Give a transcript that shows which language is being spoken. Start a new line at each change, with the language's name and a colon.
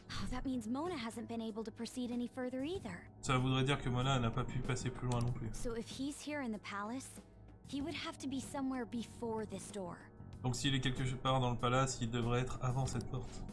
English: That means Mona hasn't been able to proceed any further either.
French: Ça voudrait dire que Mona n'a pas pu passer plus loin non plus.
English: So if he's here in the palace, he would have to be somewhere before this door.
French: Donc s'il est quelque part dans le palace, il devrait être avant cette porte.